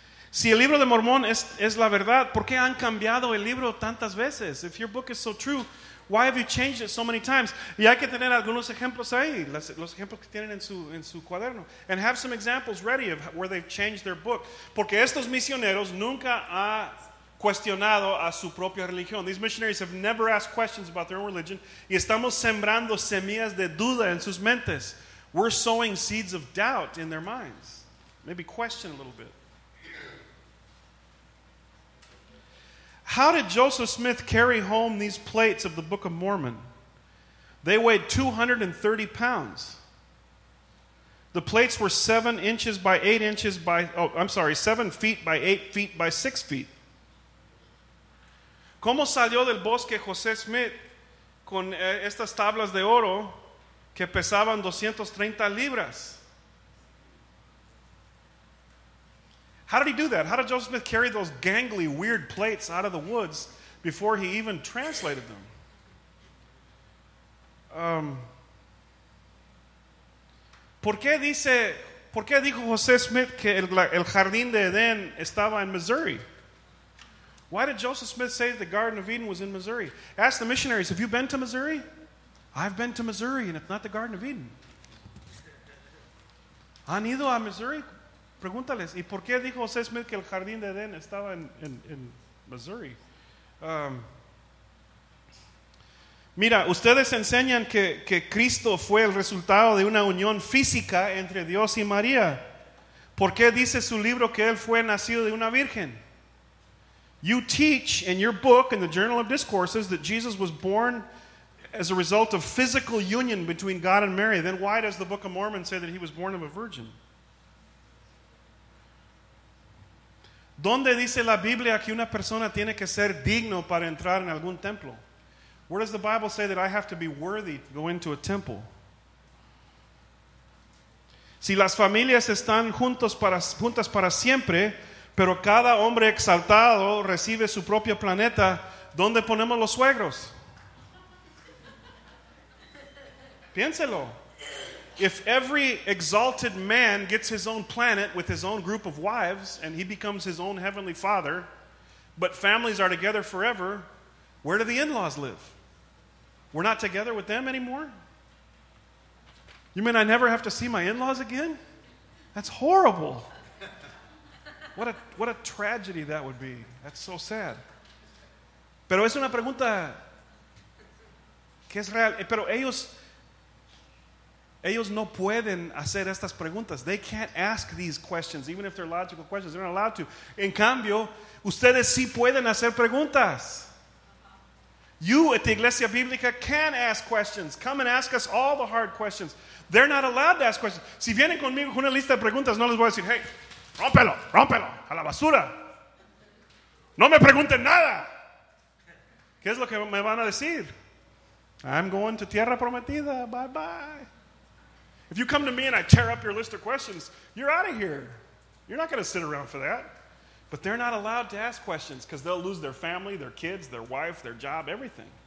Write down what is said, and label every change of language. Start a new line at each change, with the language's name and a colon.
Spanish: Si el libro de Mormón es la verdad, ¿por qué han cambiado el libro tantas veces?
English: If your book is so true, why have you changed it so many times?
Spanish: Y hay que tener algunos ejemplos ahí, los ejemplos que tienen en su cuaderno.
English: And have some examples ready of where they've changed their book.
Spanish: Porque estos misioneros nunca han cuestionado a su propia religión.
English: These missionaries have never asked questions about their own religion.
Spanish: Y estamos sembrando semillas de duda en sus mentes.
English: We're sowing seeds of doubt in their minds. Maybe question a little bit. How did Joseph Smith carry home these plates of the Book of Mormon? They weighed 230 pounds. The plates were 7 feet by 8 feet by 6 feet.
Spanish: ¿Cómo salió del bosque José Smith con estas tablas de oro que pesaban 230 libras?
English: How did he do that? How did Joseph Smith carry those gangly, weird plates out of the woods before he even translated them?
Spanish: ¿Por qué dijo José Smith que el Jardín de Edén estaba en Missouri?
English: Why did Joseph Smith say the Garden of Eden was in Missouri? Ask the missionaries, have you been to Missouri? I've been to Missouri, and it's not the Garden of Eden.
Spanish: ¿Han ido a Missouri? Pregúntales, ¿y por qué dijo José Smith que el Jardín de Edén estaba en Missouri? Mira, ustedes enseñan que Cristo fue el resultado de una unión física entre Dios y María. ¿Por qué dice su libro que él fue nacido de una virgen?
English: You teach in your book, in the Journal of Discourses, that Jesus was born as a result of physical union between God and Mary. Then why does the Book of Mormon say that he was born of a virgin?
Spanish: ¿Dónde dice la Biblia que una persona tiene que ser digno para entrar en algún templo?
English: Where does the Bible say that I have to be worthy to go into a temple?
Spanish: Si las familias están juntas para siempre, pero cada hombre exaltado recibe su propio planeta, ¿dónde ponemos los suegros? Piénselo.
English: If every exalted man gets his own planet with his own group of wives and he becomes his own heavenly father, but families are together forever, where do the in-laws live? We're not together with them anymore? You mean I never have to see my in-laws again? That's horrible. What a tragedy that would be. That's so sad.
Spanish: Pero es una pregunta que es real. Pero ellos no pueden hacer estas preguntas.
English: They can't ask these questions, even if they're logical questions. They're not allowed to.
Spanish: En cambio, ustedes sí pueden hacer preguntas.
English: You at the Iglesia Bíblica can ask questions. Come and ask us all the hard questions. They're not allowed to ask questions.
Spanish: Si vienen conmigo con una lista de preguntas, no les voy a decir, hey, rómpelo, rómpelo, a la basura. No me pregunten nada. ¿Qué es lo que me van a decir?
English: I'm going to Tierra Prometida. Bye, bye. If you come to me and I tear up your list of questions, you're out of here. You're not going to sit around for that. But they're not allowed to ask questions because they'll lose their family, their kids, their wife, their job, everything.